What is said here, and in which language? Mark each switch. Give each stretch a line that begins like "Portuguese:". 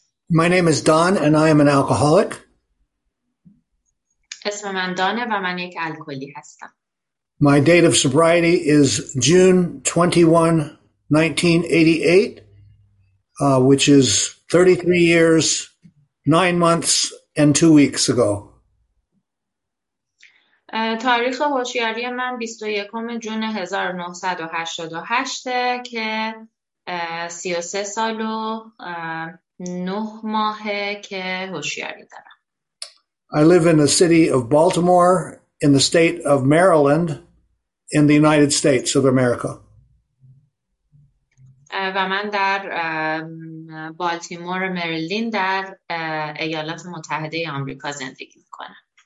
English: My name is Don and I am an alcoholic.
Persian: اسم من دانه و من یک الکلی هستم.
English: My date of sobriety is June 21, 1988, which is 33 years, 9 months and 2 weeks ago.
Persian: تاریخ هوشیاری من 21 جون 1988 که 33 سال و 9 ماهه که هوشیاری دارم.
English: I live in the city of Baltimore in the state of Maryland in the United States of America.
Persian: و من در بالتیمور مریلند در ایالات متحده آمریکا زندگی میکنم.